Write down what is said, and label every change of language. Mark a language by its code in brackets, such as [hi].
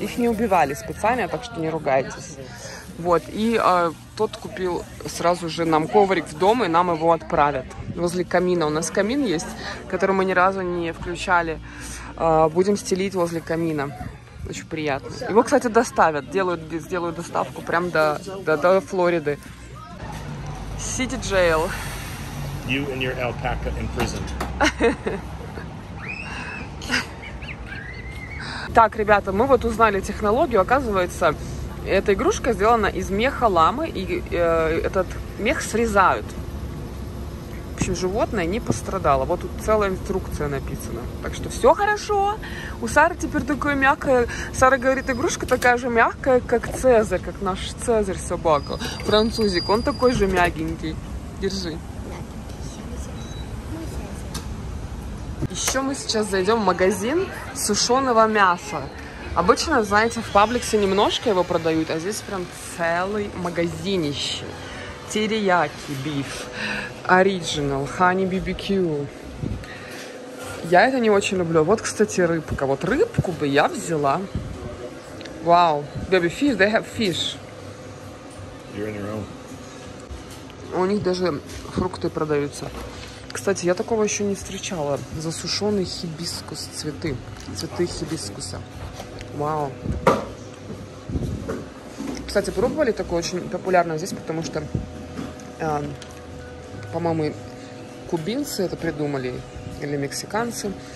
[ru] Их не убивали специально, так что не ругайтесь. Вот, и тот купил сразу же нам коврик в дом, и нам его отправят. Возле камина у нас камин есть, который мы ни разу не включали. Будем стелить возле камина. Очень приятно. Его, кстати, доставят. Делают, сделают доставку прям до Флориды. [en] City jail. You and your alpaca imprisoned. [ru] Так, ребята, мы вот узнали технологию. Оказывается, эта игрушка сделана из меха ламы, и этот мех срезают. В общем, животное не пострадало. Вот тут целая инструкция написана. Так что все хорошо. У Сары теперь такое мягкое. Сара говорит, игрушка такая же мягкая, как Цезарь, как наш Цезарь собака. Французик, он такой же мягенький. Держи. Еще мы сейчас зайдем в магазин сушеного мяса. Обычно, знаете, в Пабликсе немножко его продают, а здесь прям целый магазинище. Терияки биф, оригинал, хани бибикю. Я это не очень люблю. Вот, кстати, рыбка. Вот рыбку бы я взяла. Вау, [en] baby fish, they have fish. You're in your own. [ru] У них даже фрукты продаются. Кстати, я такого еще не встречала. Засушенный хибискус, цветы. Цветы хибискуса. Вау. Кстати, пробовали такое очень популярно здесь, потому что, по-моему, кубинцы это придумали, или мексиканцы.